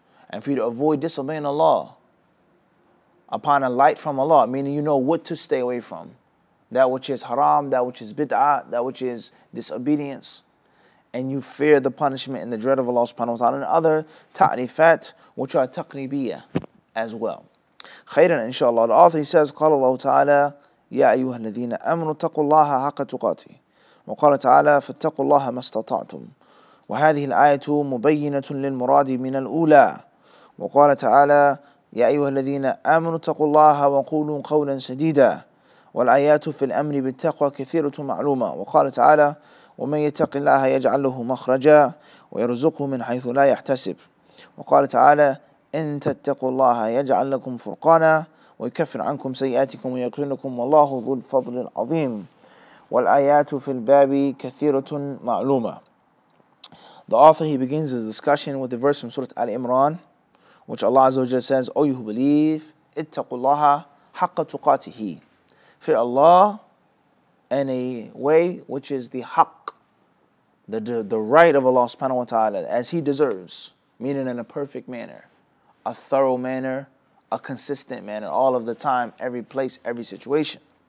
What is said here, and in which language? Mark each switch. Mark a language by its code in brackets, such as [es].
[en] And for you to avoid disobeying Allah upon a light from Allah, meaning you know what to stay away from, that which is haram, that which is bid'ah, that which is disobedience, and you fear the punishment and the dread of Allah subhanahu wa ta'ala, and other ta'rifat, which are taqribiyah as well. Khayran, inshallah. The author, he says, [ar] قال الله تعالى يا أيها الذين أمنوا اتقوا الله حق تقاته وقال تعالى فاتقوا الله ما استطعتم وهذه الآية مبينة للمراد من الأولى وقال تعالى يا أيها الذين أمنوا اتقوا الله وقولوا قولا سديدا والآيات في الأمر بالتقوى كثيرة معلومة وقال تعالى ومن يتق الله يجعل له مخرجا ويرزقه من حيث لا يحتسب وقال تعالى إن تتقوا الله يجعل لكم فرقانا ويكفر عنكم سيئاتكم ويقرنكم والله ذو الفضل العظيم والآيات في الباب كثيرة معلومة. [en] The author, he begins his discussion with the verse from Surah Al-Imran, which Allah Azza wa Jalla says, O you who believe, [ar] اتقوا الله حق تقاته. [en] Fear Allah in a way which is the haqq, the right of Allah subhanahu wa ta'ala, as He deserves, meaning in a perfect manner, a thorough manner, a consistent manner, all of the time, every place, every situation.